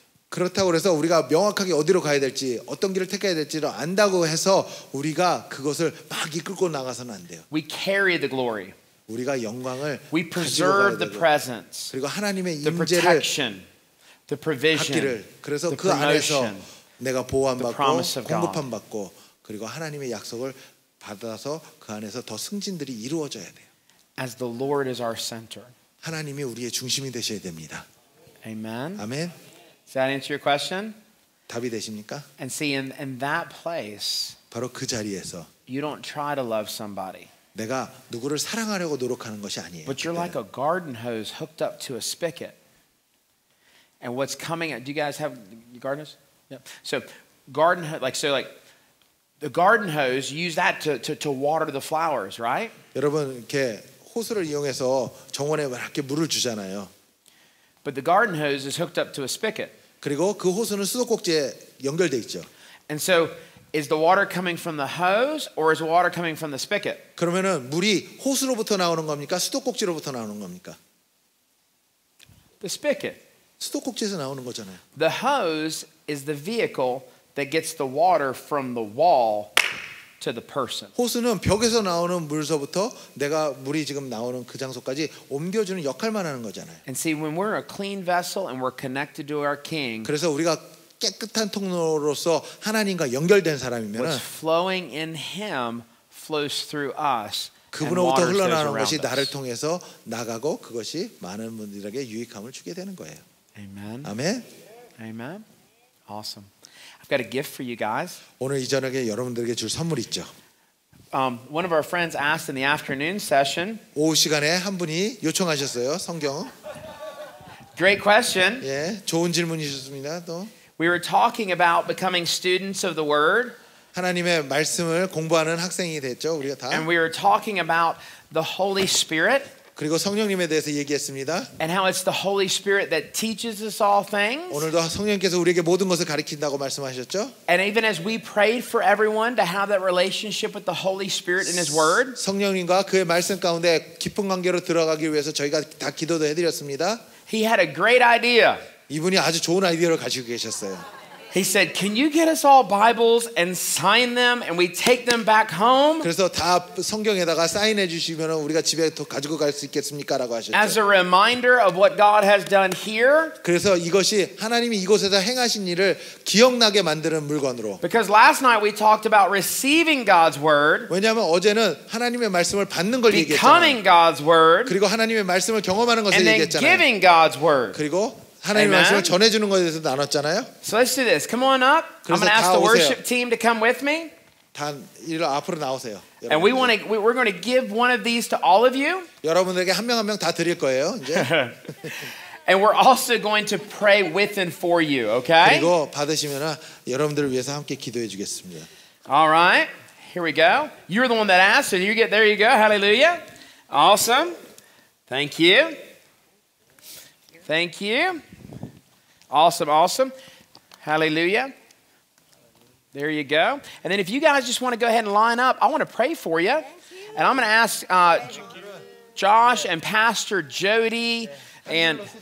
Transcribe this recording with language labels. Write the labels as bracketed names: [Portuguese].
[Korean] 그렇다고 해서 우리가 명확하게 어디로 가야 될지 어떤 길을 택해야 될지를 안다고 해서 우리가 그것을 막 이끌고 나가서는 안 돼요. [English] We carry the glory. [Korean] 우리가 영광을 [English] We preserve the presence. [Korean] 그리고 하나님의 임재를 [English] the provision. [Korean] 받기를. 그래서 그 안에서 내가 보호받고 공급함 받고 그리고 하나님의 약속을 받아서 그 안에서 더 승진들이 이루어져야 돼요. [English] As the Lord is our center. [Korean] 하나님이 우리의 중심이 되셔야 됩니다. [English] Amen. Amen. Does that answer your question? [Korean] 답이 되십니까? [English] And see in that place. [Korean] 바로 그 자리에서 [English] You don't try to love somebody. [Korean] 내가 누구를 사랑하려고 노력하는 것이 아니에요. [English] But you're like a garden hose hooked up to a spigot. And what's coming out? Do you guys have garden hose? Yep. So garden hose like the garden hose use that to water the flowers, right? [Korean] 여러분 이렇게 호스를 이용해서 정원에 이렇게 물을 주잖아요. [English] But the garden hose is hooked up to a spigot. [Korean] 그리고 그 호스는 수도꼭지에 연결돼 있죠. [English] And so Is the water coming from the hose or is the water coming from the spigot? [Korean] 그러면은 물이 호스로부터 나오는 겁니까? 수도꼭지로부터 나오는 겁니까? [English] The spigot. [Korean] 수도꼭지에서 나오는 거잖아요. [English] The hose is the vehicle that gets the water from the wall to the person. [Korean] 호수는 벽에서 나오는 물서부터 내가 물이 지금 나오는 그 장소까지 옮겨주는 역할만 하는 거잖아요. [English] And see, when we're a clean vessel and we're connected to our King. [Korean] 그래서 우리가 깨끗한 통로로서 하나님과 연결된 사람이면 [English] What's flowing in Him flows through us. [Korean] 그분으로부터 흘러나오는 것이 나를 통해서 나가고 그것이 많은 분들에게 유익함을 주게 되는 거예요. [English] Amen. Amen. Amen. Awesome. I've got a gift for you guys. [Korean] 오늘 이 저녁에 여러분들에게 줄 선물 있죠. [English] One of our friends asked in the afternoon session. [Korean] 오후 시간에 한 분이 요청하셨어요. 성경. [English] Great question. [Korean] 예, 좋은 질문이셨습니다. 또. [English] We were talking about becoming students of the word. [Korean] 하나님의 말씀을 공부하는 학생이 됐죠, 우리가 다. [English] And we were talking about the Holy Spirit. [Korean] 그리고 성령님에 대해서 얘기했습니다. [English] And how it's the Holy Spirit that teaches us all things. [Korean] 오늘도 성령께서 우리에게 모든 것을 가르친다고 말씀하셨죠? [English] And even as we prayed for everyone to have that relationship with the Holy Spirit in His Word. [Korean] 성령님과 그의 말씀 가운데 깊은 관계로 들어가기 위해서 저희가 다 기도도 해드렸습니다. [English] He had a great idea. [Korean] 이분이 아주 좋은 아이디어를 가지고 계셨어요. [English] He said, "Can you get us all Bibles and sign them, and we take them back home?" [Korean] 그래서 다 성경에다가 사인해 주시면 우리가 집에 또 가지고 갈 수 있겠습니까라고 하셨죠. [English] As a reminder of what God has done here. [Korean] 그래서 이것이 하나님이 이곳에서 행하신 일을 기억나게 만드는 물건으로. [English] Because last night we talked about receiving God's word. [Korean] 왜냐하면 어제는 하나님의 말씀을 받는 걸 얘기했잖아요. [English] Becoming God's word. [Korean] 그리고 하나님의 말씀을 경험하는 것을 얘기했잖아요. [English] And then giving God's word. [Korean] 그리고 하나님의 Amen. 말씀을 전해주는 것에 대해서 나눴잖아요. [English] So let's do this. Come on up. I'm going to ask the worship team to come with me. [Korean] 다 이리로 앞으로 나오세요. 여러분. [English] And we're going to give one of these to all of you. [Korean] 여러분들에게 한 명 한 명 다 드릴 거예요. 이제. [English] And we're also going to pray with and for you. Okay? [Korean] 그리고 받으시면 여러분들을 위해서 함께 기도해 주겠습니다. [English] All right. Here we go. You're the one that asked, and you get there. You go. Hallelujah. Awesome. Thank you. Thank you. Awesome, awesome. Hallelujah. There you go. And then if you guys just want to go ahead and line up, I want to pray for you. And I'm going to ask Josh and Pastor Jody and...